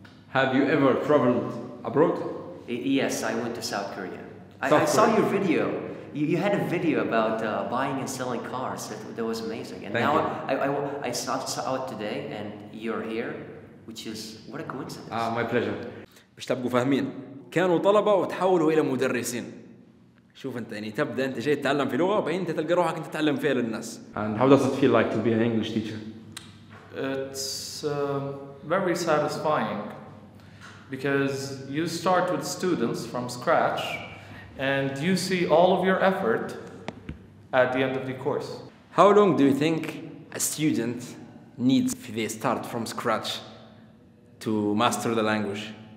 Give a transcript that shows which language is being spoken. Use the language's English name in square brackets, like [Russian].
[English] Have you ever traveled abroad? Yes, I went to South Korea. South Korea. I saw your video. You had a video about buying and selling cars. That was amazing. And Thank now you. I saw it today and you're here, which is what a coincidence. Ah, my pleasure. [Arabic] باش تبقوا فاهمين، كانوا طلبة وتحولوا إلى مدرسين. شوف أنت يعني تبدأ أنت جاي تتعلم في لغة وبعدين أنت تلقى روحك أنت تتعلم فيها للناس. [English] And how does it feel like to be an English teacher? It's very satisfying because you start with students from scratch. And you see all of your effort at the end of the course. How long do you think a student needs if they start from scratch to master the language?